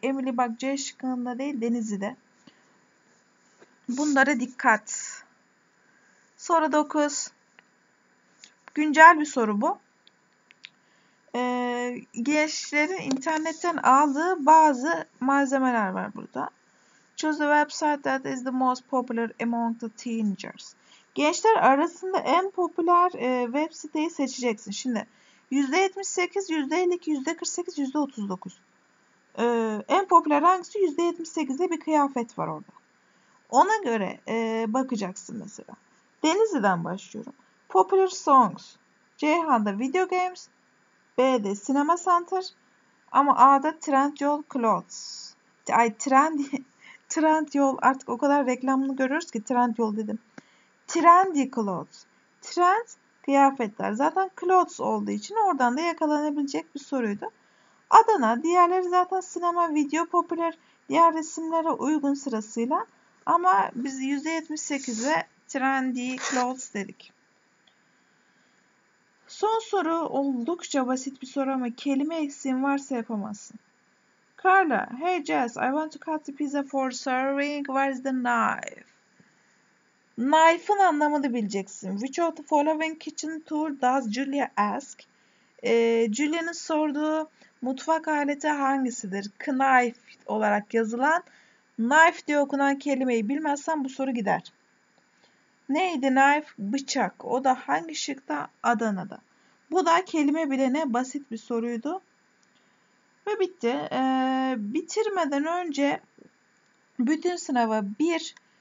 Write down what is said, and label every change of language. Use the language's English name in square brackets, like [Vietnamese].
[Turkish] Emily bak C şıkkında değil Denizli'de. Bunlara dikkat. Soru 9. Güncel bir soru bu. Gençlerin internetten aldığı bazı malzemeler var burada. [English] Choose the website that is the most popular among the teenagers. [Turkish] Gençler arasında en popüler web siteyi seçeceksin. Şimdi %78, %52, %48, %39. En popüler hangisi? %78'de bir kıyafet var orada. Ona göre bakacaksın mesela. Denizli'den başlıyorum. [English] Popular songs. [Turkish] Ceyhan'da video games. B'de Cinema Center ama A'da Trendyol Clothes. Ay Trendyol artık o kadar reklamını görüyoruz ki Trendyol dedim. Trendy Clothes. Trend kıyafetler. Zaten Clothes olduğu için oradan da yakalanabilecek bir soruydu. Adana diğerleri zaten sinema, video popüler diğer resimlere uygun sırasıyla ama biz %78'e Trendy Clothes dedik. Son soru oldukça basit bir soru ama kelime eksiğin varsa yapamazsın. [English] Carla, hey Jess, I want to cut the pizza for serving. Where is the knife? [Turkish] Knife'ın anlamını bileceksin. [English] Which of the following kitchen tool does Julia ask? [Turkish] Julia'nın sorduğu mutfak aleti hangisidir? Knife olarak yazılan. Knife diye okunan kelimeyi bilmezsen bu soru gider. Neydi knife? Bıçak. O da hangi şıkta? Adana'da. Bu da kelime bilene basit bir soruydu. Ve bitti. Bitirmeden önce bütün sınava bir